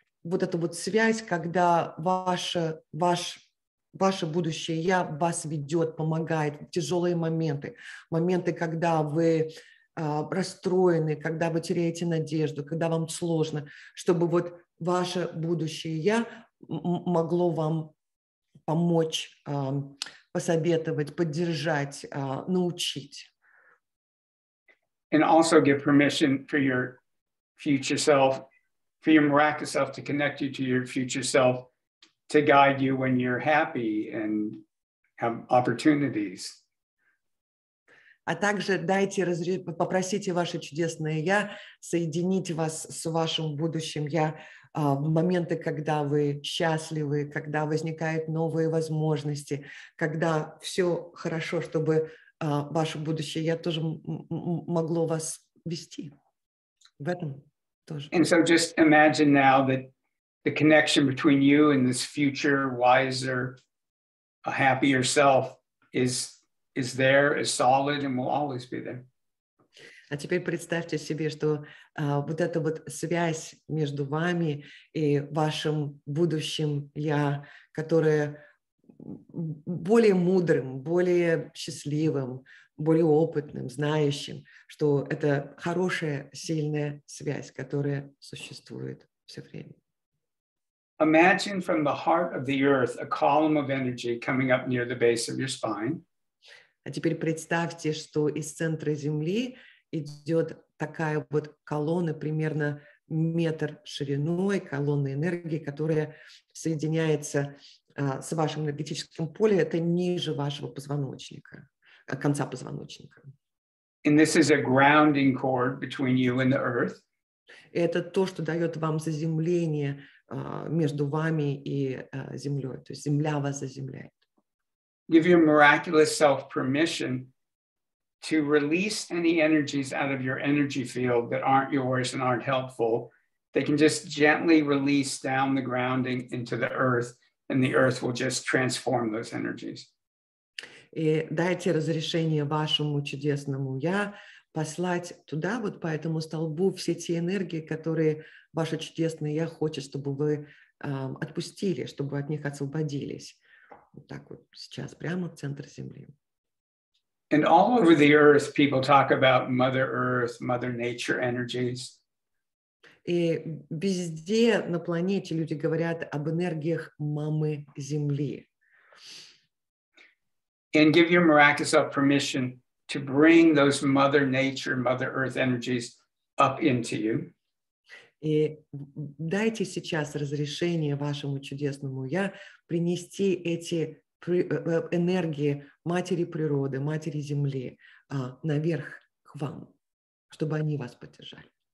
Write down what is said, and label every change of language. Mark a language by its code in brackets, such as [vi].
[ru] вот эту вот связь, когда ваше будущее я вас ведет, помогает в тяжелые моменты, моменты, когда вы расстроены, когда вы теряете надежду, когда вам сложно, чтобы вот ваше будущее я могло вам помочь, посоветовать, поддержать, научить. [en] And also give permission for your future self, for your miraculous self to connect you to your future self, to guide you when you're happy and have opportunities. [ru] А также дайте попросите ваше чудесное «Я» соединить вас с вашим будущим «Я» в моменты, когда вы счастливы, когда возникают новые возможности, когда все хорошо, чтобы ваше будущее «Я» тоже могло вас вести. В этом тоже. [en] And so just imagine now that the connection between you and this future, wiser, a happier self is there, is solid, and will always be there. [ru] А теперь представьте себе, что вот эта вот связь между вами и вашим будущим «Я», которое более мудрым, более счастливым, более опытным, знающим, что это хорошая, сильная связь, которая существует все время. [en] Imagine from the heart of the earth a column of energy coming up near the base of your spine. [ru] А теперь представьте, что из центра Земли идет такая вот колонна, примерно метр шириной, колонна энергии, которая соединяется с вашим энергетическим полем, это ниже вашего позвоночника, конца позвоночника. [en] And this is a grounding cord between you and the earth. [ru] Это то, что дает вам заземление между вами и землей, то есть земля вас заземляет. [en] Give your miraculous self permission to release any energies out of your energy field that aren't yours and aren't helpful. They can just gently release down the grounding into the earth, and the earth will just transform those energies. [ru] И дайте разрешение вашему чудесному «Я» послать туда, вот по этому столбу, все те энергии, которые ваше чудесное «Я» хочет, чтобы вы отпустили, чтобы от них освободились. Вот так вот сейчас, прямо в центр Земли. [en] And all over the earth people talk about Mother Earth, Mother Nature energies. [ru] И везде на планете люди говорят об энергиях Мамы Земли. [en] And give your miraculous permission to bring those Mother Nature, Mother Earth energies up into you. [ru] И дайте сейчас разрешение вашему чудесному «Я» принести эти энергии Матери Природы, Матери Земли наверх к вам, чтобы они вас поддержали.